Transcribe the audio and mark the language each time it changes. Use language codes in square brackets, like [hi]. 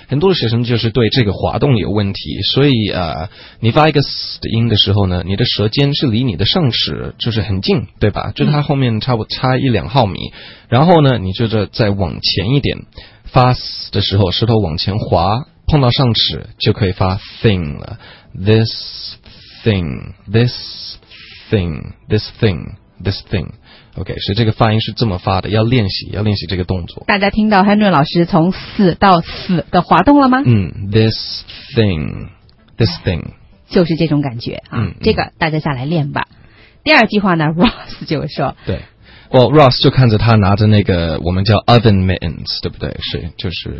[zh] 很多的学生就是对这个滑动有问题，所以你发一个 s 的音的时候呢，你的舌尖是离你的上齿就是很近，对吧？就它后面差不多差一两毫米，然后呢，你就这再往前一点发 s 的时候，舌头往前滑，碰到上齿就可以发 thing 了。 [en] This thing, this thing, this thing, this thing。 [zh] OK， 所以这个发音是这么发的，要练习，要练习这个动作。大家听到 Henry 老师从死到死的滑动了吗？ [en] 嗯 ，this thing， this thing， [zh] 就是这种感觉啊，嗯。这个大家下来练吧。第二句话呢 ，Ross 就说，对 ，Well Ross 就看着他拿着那个我们叫 oven mittens， 对不对？是，就是